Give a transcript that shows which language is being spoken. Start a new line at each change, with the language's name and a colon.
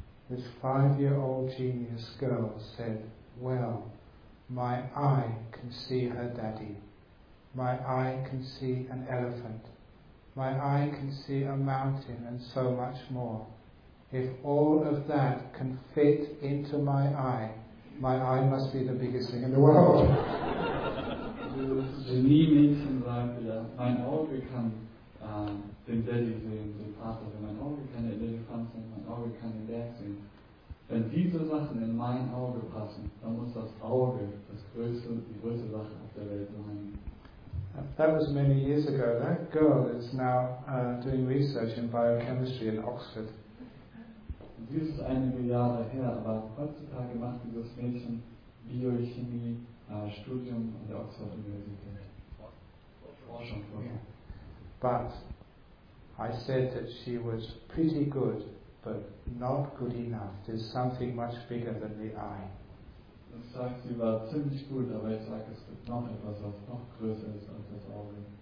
English: This 5-year-old genius girl said, well, my eye can see her daddy. My eye can see an elephant. My eye can see a mountain and so much more. If all of that can fit into my eye must be the biggest thing in the world.
German: Genie-Mädchen sagte, ja, mein Auge kann den Daddy sehen, den Vater sehen, mein Auge kann den Elefant sehen, mein Auge kann den Berg sehen. Wenn diese Sachen in mein Auge passen, dann muss das Auge die größte Sache auf der Welt sein.
English: That was many years ago. That girl is now doing research in biochemistry in Oxford.
German: Dies ist einige Jahre her, aber heutzutage macht dieses Mädchen Biochemie Studium an der Oxford Universität. Forschung.
English: But I said that she was pretty good but not good enough. There's something much bigger than the I.
German: Das sagt sie war ziemlich gut, aber ich sage, es gibt noch etwas, was noch größer ist als das Auge.